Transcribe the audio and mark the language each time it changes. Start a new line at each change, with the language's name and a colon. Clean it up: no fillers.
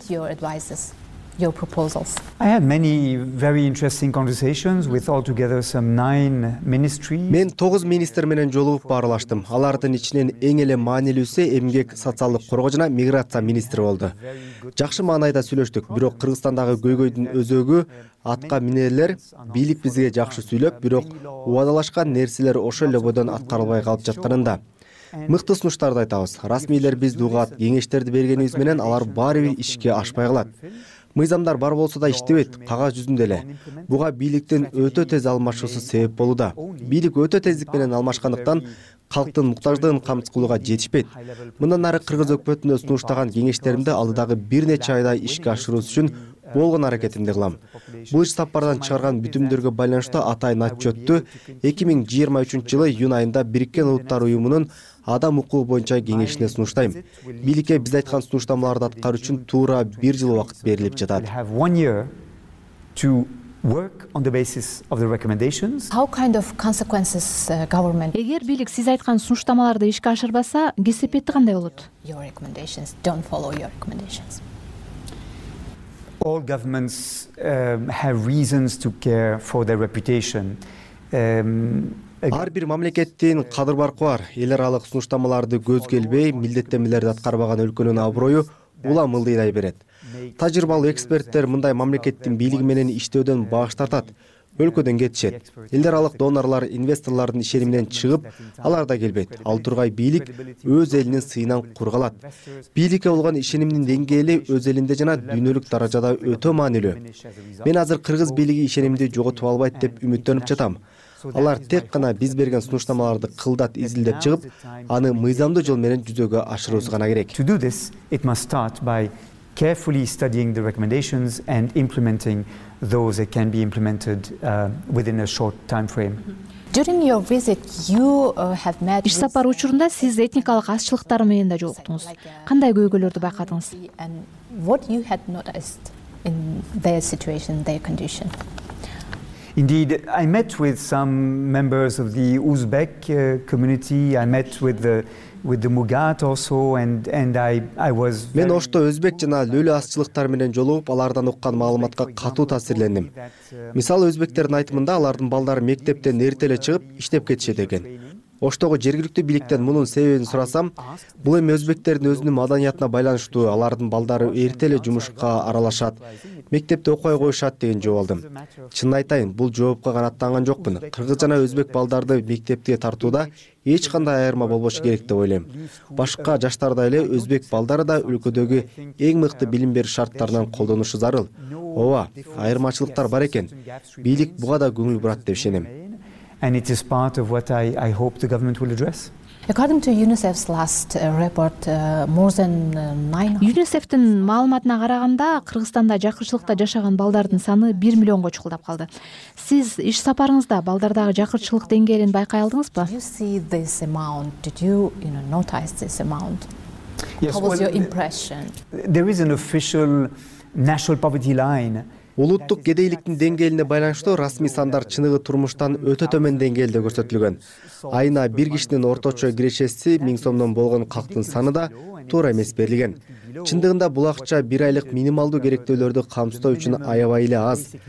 English: Your advices, your proposals. I had many very interesting conversations with altogether some 9 ministries.
Kyrgyz: Мен 9 министр менен жолугуп баарлаштым. Алардын ичинен эң эле маанилүүсү эмгек, социалдык коргоо жана миграция министри болду. Жакшы маанайда сүйлөштүк, бирок Кыргызстандагы көйгөйдүн өзөгү атка минерлер бийлик бизге жакшы сүйлөп, бирок убадалашкан нерселер ошол эле бойдон аткарылбай калып жатканында. Мыкты сунуштарды айтабыз. Расмийлер биз дугаат, кеңештерди бергенибиз менен алар баары бир ишке ашпай калат. Мыйзамдар бар болсо да иштебейт, кагаз жүзүндө эле. Буга бийликтин өтө тез алмашуусу себеп болууда. Бийлик өтө тездик менен алмашкандыктан калктын муктаждыгын камсыз кылууга жетишпейт. Мындан ары кыргыз өкмөтүнө сунуштаган кеңештеримди алдыдагы бир нече айда ишке ашыруу үчүн болгон аракетимди кылам. Бул иш сапардан чыгарган бүтүмдөргө байланыштуу атайын отчетту 2023 жылы июн айында Бириккен Улуттар Уюмунун адам укугу боюнча кеңешине сунуштайм. Бийликке биз айткан сунуштамаларды аткаруу үчүн туура бир жыл убакыт берилип жатат.
English: Work on the basis of the recommendations. How kind of consequences government?
Kyrgyz: Эгер бийлик сиз айткан сунуштамаларды ишке ашырбаса, кесепети кандай болот?
English: Your recommendations don't follow your recommendations. All governments have reasons to care for their reputation.
Kyrgyz: Ар бир мамлекеттин кадыр баркы бар. Эл аралык сунуштамаларды көзгө элбей, милдеттенмелерди аткарбаган өлкөнүн аброю улам мылдыйдай берет. Тажрыйбалуу эксперттер мындай мамлекеттин бийлиги менен иштөөдөн баш тартат, өлкөдөн кетишет. Эл аралык донорлор инвесторлордун ишеринен чыгып, алар да келбейт. Ал тургай бийлик өз элинин сыйынан кургалат. Бийликке болгон ишенимдин деңгээли өз элинде жана дүйнөлүк даражада өтө маанилүү. Мен азыр кыргыз бийлиги ишенимди жоготуп албайт деп үмүттөнүп жатам. Алар тек гана биз берген сунуштамаларды кылдат изилдеп чыгып, аны мыйзамдуу жол менен жүзөгө ашыруусу гана керек.
English: To do this, it must start by carefully studying the recommendations and implementing those that can be implemented within a short time frame. During your visit, you have met.
Kyrgyz: Иш сапар учурунда сиз этникалык азчылыктар менен да жолуктуңуз. Кандай көйгөйлөрдү байкадыңыз?
English: And what you had noticed in their situation, their condition. Indeed, I met with some members of the Uzbek community. I met with the Mugat also and I was
Kyrgyz: Мен Ошто өзбек жана лөлү азчылыктар менен жолугуп, алардан уккан маалыматка катуу таасирлендим. Мисалы, өзбектердин айтымында алардын балдары мектептен эрте эле чыгып иштеп кетишет экен. Оштогу жергиликтүү бийликтен мунун себебин сурасам, бул эми өзбектердин өзүнүн маданиятына байланыштуу, алардын балдары эрте эле жумушка аралашат, мектепте окуй коюшат деген жооп алдым. Чынын айтайын, бул жоопко канааттанган жокмун. Кыргыз жана өзбек балдарды мектепке тартууда эч кандай айырма болбошу керек деп ойлойм. Башка жаштардай эле өзбек балдары да өлкөдөгү эң мыкты билим бериш шарттарынан колдонушу зарыл. Ооба, айырмачылыктар бар экен. Бийлик буга да көңүл бурат деп ишенем.
English: And it is part of what I hope the government will address. According to UNICEF's last report, more than 900.
Kyrgyz: UNICEF'тин маалыматына караганда, Кыргызстанда жакырчылыкта жашаган балдардын саны 1 миллионго чукулдап калды. Сиз иш сапарыңызда балдардагы жакырчылык деңгээлин байкай алдыңызбы?
English: Did you see this amount? Did you, you know, notice this amount? Yes, what was your impression? There is an official national poverty line.
Kyrgyz: Улуттук кедейликтин деңгээлине байланыштуу расмий сандар чыныгы турмуштан өтө төмөн деңгээлде көрсөтүлгөн. Айына бир кишинин орточо кирешеси 1000 сомдон болгон калктын саны да туура эмес берилген. Чындыгында бул акча бир айлык минималдуу керектөөлөрдү камсыздоо үчүн аябай эле аз.